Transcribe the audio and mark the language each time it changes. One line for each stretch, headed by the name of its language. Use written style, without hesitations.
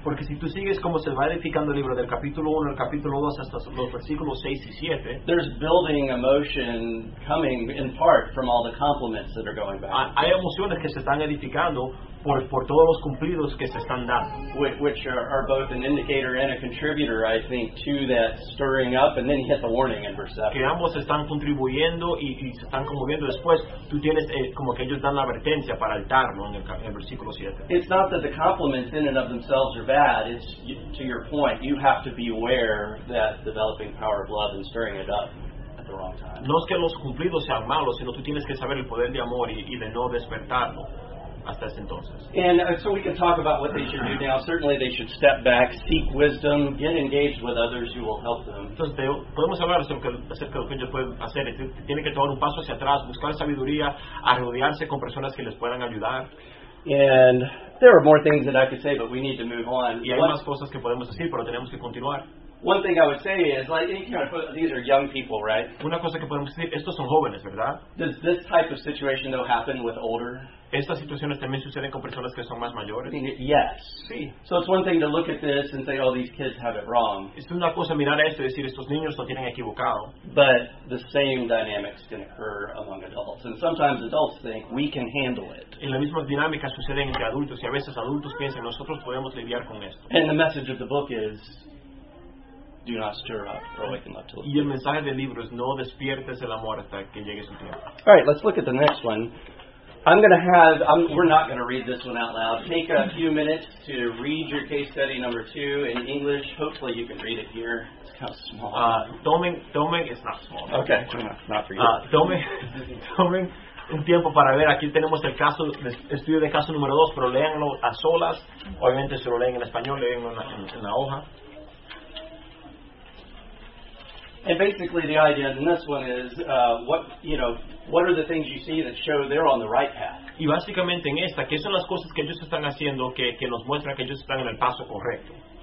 Spanish: Porque si tú sigues como se va edificando el libro del capítulo 1 al capítulo 2 hasta los versículos 6 y 7,
English: there's building emotion coming in part from all the compliments that are going back.
Spanish: Hay emociones que se están edificando por todos los cumplidos que se están dando,
English: which are both an indicator and a contributor, I think, to that stirring up, and then you hit the warning in verse 7.
Spanish: Que ambos están contribuyendo y se están conmoviendo. Después tú tienes como que ellos dan la advertencia para el tarno en el versículo 7.
English: It's not that the compliments in and of themselves are bad, it's, to your point, you have to be aware that developing power of love and stirring it up at the wrong time.
Spanish: No es que los cumplidos sean malos, sino tú tienes que saber el poder de amor y de no despertarlo.
English: And so we can talk about what they should do now. Certainly they should step back, seek wisdom, get engaged with others who will help them.
Spanish: Podemos hablar acerca de lo que ellos pueden hacer. Tienen que tomar un paso hacia atrás, buscar sabiduría, rodearse con personas que les puedan ayudar.
English: And there are more things that I could say, but we need to move on.
Spanish: Y hay más cosas que podemos decir, pero tenemos que continuar.
English: One thing I would say is, like, you know, these are young people, right?
Spanish: Una cosa que podemos decir, estos son jóvenes, ¿verdad?
English: Does this type of situation, though, happen with older?
Spanish: Estas situaciones también suceden con personas que son más mayores.
English: Yes.
Spanish: Sí.
English: So it's one thing to look at this and say, oh, these kids have it wrong.
Spanish: Es una cosa mirar esto y decir, estos niños lo tienen equivocado.
English: But the same dynamics can occur among adults. And sometimes adults think, we can handle it.
Spanish: En la misma dinámica suceden entre adultos, y a veces adultos piensan, nosotros podemos lidiar con esto.
English: And the message of the book is, do not stir up or awaken love to
Spanish: live. Y el mensaje del libro es, no despiertes el amor hasta que llegue su tiempo.
English: All right, let's look at the next one. We're not going to read this one out loud. Take a few minutes to read your case study number 2 in English. Hopefully you can read it here. It's kind of small. Tomen, it's not small. No. Okay, not for you.
Spanish: Tomen un tiempo para ver. Aquí tenemos el caso, el estudio de caso número 2, pero léanlo a solas. Obviamente se lo leen en español, leen en la hoja.
English: And basically the idea in this one is, what are the things you see that show they're on the right path?
Spanish: Y básicamente en esta, ¿qué son las cosas que ellos están haciendo que nos muestran que ellos están en el paso correcto?